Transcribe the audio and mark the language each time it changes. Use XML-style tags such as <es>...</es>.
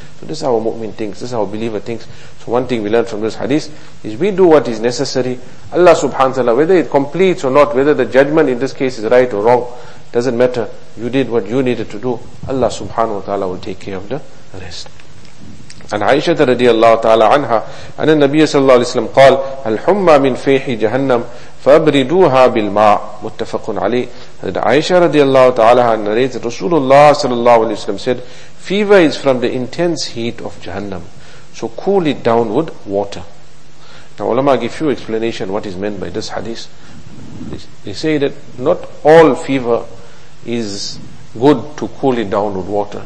<en>So this is how a mu'min thinks, this is how a believer thinks. So one thing we learn from this hadith is, we do what is necessary. Allah subhanahu wa ta'ala, whether it completes or not, whether the judgment in this case is right or wrong, doesn't matter. You did what you needed to do. Allah subhanahu wa ta'ala will take care of the rest.</en> <ar>عن عائشة رضي الله تعالى عنها أن النبي صلى الله عليه وسلم قال الحمى من فيح جهنم فأبردوها بالماء متفق عليه. عائشة رضي الله تعالى عنها رسول الله صلى الله عليه وسلم</ar> <en>said fever is from the intense heat of Jahannam, so cool it down with water. Now ulama give you explanation what is meant by this hadith. They say that not all fever is good to cool it down with water.</en>